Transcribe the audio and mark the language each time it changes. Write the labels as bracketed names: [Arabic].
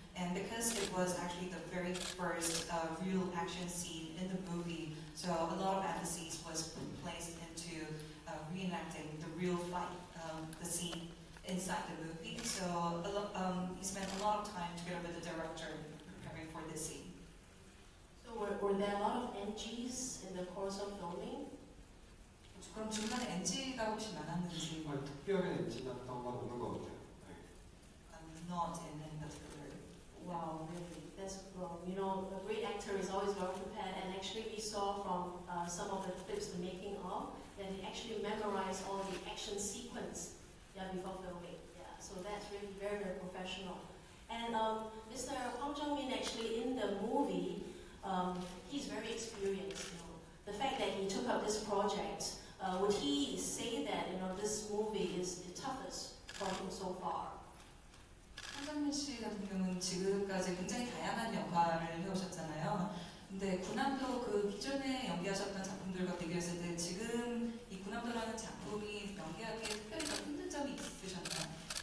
[English] And because it was actually the very first real action scene in the movie, so a lot of emphasis was placed into reenacting the real fight, the scene inside the movie. So he spent a lot of time together with the director preparing for this scene. So were there a lot of NGs in the course of filming? [Korean] 그럼 중간에 NG가 혹시 많았는지? 아, 특별히 NG가 났던 건 없는 것 같아요. [English] I'm not in any particular. Wow, really? That's, well, you know, a great actor is always well prepared, and actually we saw from some of the clips, the making of, that he actually memorized all the action sequence yeah, before filming. Yeah, so that's really very, very professional. And Mr. Hwang Jung-min, actually in the movie, he's very experienced. You know? The fact that he took up this project, would he say that, you know, this movie is the toughest for him so far? [Korean] 황정민 씨 같은 경우는 지금까지 굉장히 다양한 역할을 해오셨잖아요. 근데 군함도 그 기존에 연기하셨던 작품들과 비교했을 때 지금 이 군함도라는 작품이 연기하기에 특별히 더 힘든 점이 있으셨나요?